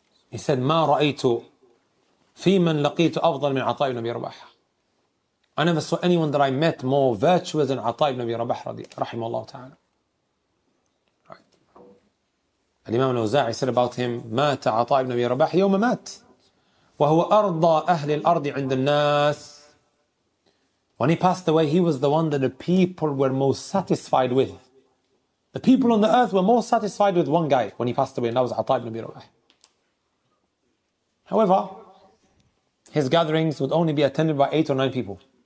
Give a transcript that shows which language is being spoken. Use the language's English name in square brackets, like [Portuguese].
[English] He said, [Arabic] مَا رَأَيْتُ فِي مَنْ لَقِيتُ أَفْضَلْ مِنْ عَطَاءِ نَبِي رَبَحَ. [English] I never saw anyone that I met more virtuous than Ata ibn Abi Rabah رحمه الله تعالى. Al-Imam al-Auza'i said about him, [Arabic] مات عطاء ibn Abi Rabah يوم مات وهو أرضى أهل الأرض عند الناس. [English] When he passed away, he was the one that the people were most satisfied with. The people on the earth were more satisfied with one guy when he passed away, and that was Ata ibn Abi Rabah. However, his gatherings would only be attended by 8 or 9 people.